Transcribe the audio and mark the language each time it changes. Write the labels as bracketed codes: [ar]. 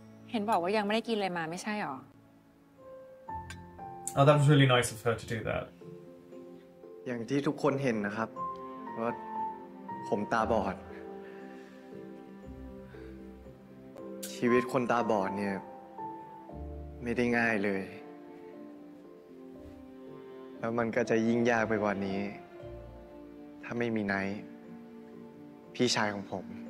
[th] เห็นบอกว่ายังไม่ได้กินอะไรมาไม่ใช่หรอ [en] Oh that was really nice of her to do that [th] อย่างที่ทุกคนเห็นนะครับว่าผมตาบอด ชีวิตคนตาบอดเนี่ยไม่ได้ง่ายเลยแล้วมันก็จะยิ่งยากไปกว่านี้ถ้าไม่มีไนท์พี่ชายของผม